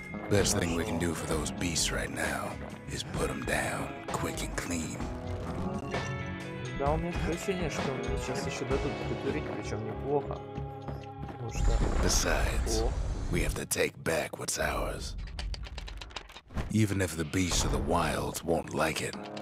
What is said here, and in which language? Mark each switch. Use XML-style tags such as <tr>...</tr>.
<en>Best thing we can do for those beasts right now is put them down quick and clean.</en> <ru>Да, у меня ощущение, что мне сейчас еще дадут придурить, причем неплохо. Потому что...</ru> <en>Besides, we have to take back what's ours. Even if the beasts of the wilds won't like it.</en>